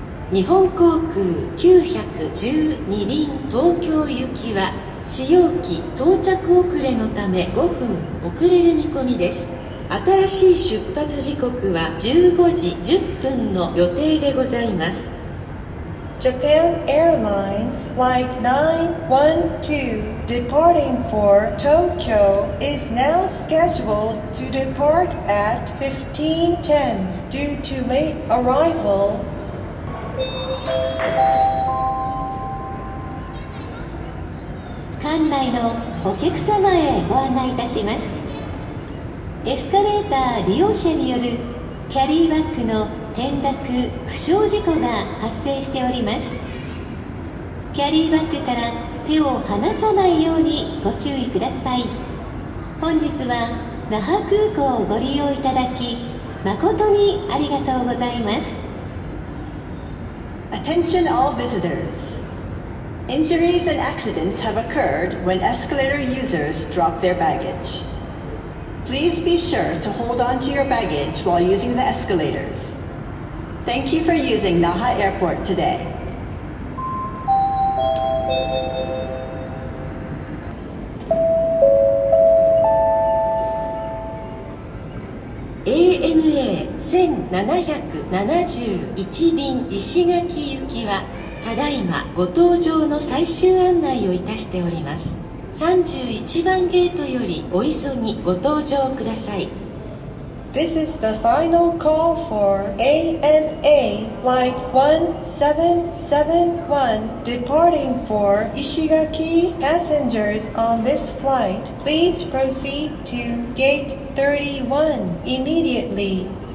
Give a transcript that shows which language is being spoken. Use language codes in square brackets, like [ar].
[ja] 日本航空912便東京行きは使用機到着遅れのため5分遅れる見込みです。新しい出発時刻は15時10分の予定でございます。 [en] Japan Airlines Flight 912 departing for Tokyo is now scheduled to depart at 15:10 due to late arrival. [ja] エスカレーター利用者によるキャリーバッグの転落・負傷事故が発生しております。キャリーバッグから手を離さないようにご注意ください。本日は那覇空港をご利用いただき誠にありがとうございます。 [en] Attention all visitors. Injuries and accidents have occurred when escalator users drop their baggagePlease be sure to hold on to your baggage while using the escalators. Thank you for using Naha Airport today. [ja] ANA 1771便石垣行きはただいまご搭乗の最終案内をいたしております。 31番ゲートよりお急ぎご搭乗ください。 [en] This is the final call for ANA Flight 1771 departing for 石垣 passengers on this flight. Please proceed to gate 31 immediately.